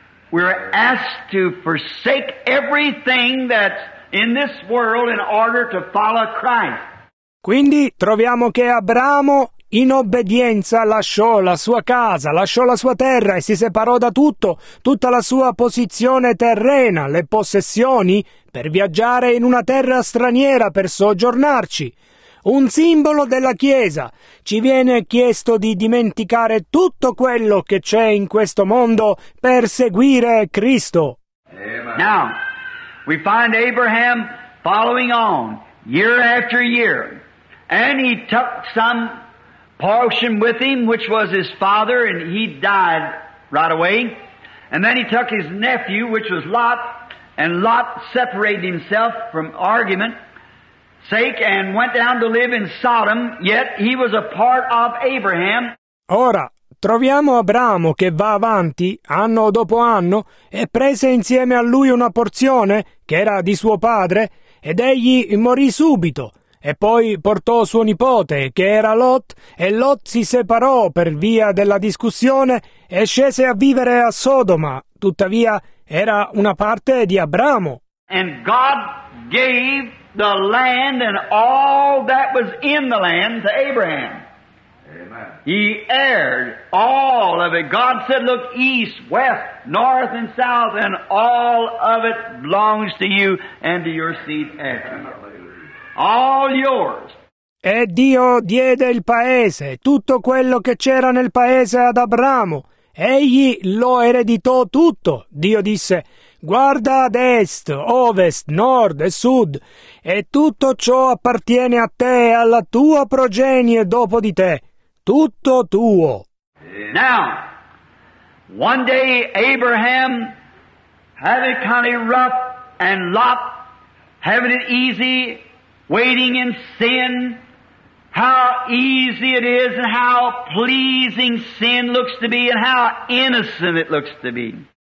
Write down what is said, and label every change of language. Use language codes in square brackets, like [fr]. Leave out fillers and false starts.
[en] We're asked to forsake everything that's in this world in order to follow Christ. [it] Quindi troviamo che Abramo, in obbedienza, lasciò la sua casa, lasciò la sua terra e si separò da tutto, tutta la sua posizione terrena, le possessioni, per viaggiare in una terra straniera per soggiornarci. Un simbolo della Chiesa. Ci viene chiesto di dimenticare tutto quello che c'è in questo mondo per seguire Cristo. [en] Now, we find Abraham following on, year after year, and he took some portion with him, which was his father, and he died right away. And then he took his nephew, which was Lot, and Lot separated himself from argument sake and went down to live in Sodom, yet he was a part of Abraham. [it] Ora, troviamo Abramo che va avanti, anno dopo anno, e prese insieme a lui una porzione, che era di suo padre, ed egli morì subito. E poi portò suo nipote, che era Lot, e Lot si separò per via della discussione e scese a vivere a Sodoma. Tuttavia, era una parte di Abramo. [en] And God gave the land and all that was in the land to Abraham. Amen. He heired all of it. God said, look east, west, north and south, and all of it belongs to you and to your seed after you. All yours. [it] E Dio diede il paese, tutto quello che c'era nel paese ad Abramo. Egli lo ereditò tutto. Dio disse, guarda ad est, ovest, nord e sud, e tutto ciò appartiene a te e alla tua progenie dopo di te. Tutto tuo. [en] Now, one day Abraham had it kind of rough and Lot having it easy, waiting in sin, how easy it is and how pleasing sin looks to be and how innocent it looks to be.